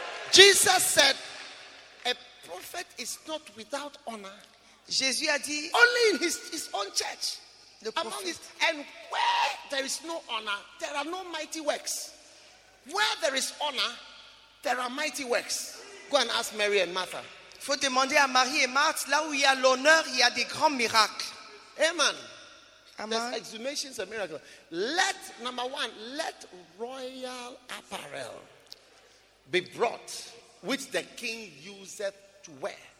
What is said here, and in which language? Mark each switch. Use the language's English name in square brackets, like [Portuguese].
[English] Jesus said, a prophet is not without honor. [French] Jésus a dit, [English] only in his own church. [French] Le prophète. [English] And where there is no honor, there are no mighty works. Where there is honor, there are mighty works. Go and ask Mary and Martha. [French] Faut demander à Marie et Marthe, là où il y a l'honneur, il y a des grands miracles. [English] Amen. There's exhumation, a miracle. Let, number one, let royal apparel be brought, which the king useth to wear.